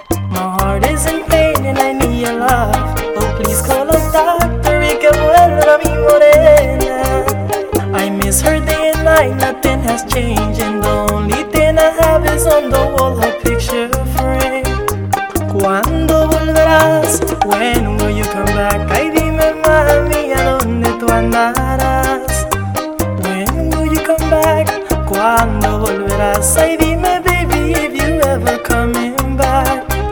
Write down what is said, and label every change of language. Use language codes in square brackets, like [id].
[en] My heart is in pain and I need your love. Oh, please call a doctor, [es] y que vuelva mi morena. [en] I miss her day and night, nothing has changed. And the only thing I have is on the wall her picture frame. [es] ¿Cuándo volverás? [en] When will you come back? [es] Ay, dime, mami, ¿a dónde tú andarás? [en] When will you come back? [es] ¿Cuándo volverás? Ay, dime, [en] baby, if you ever coming back.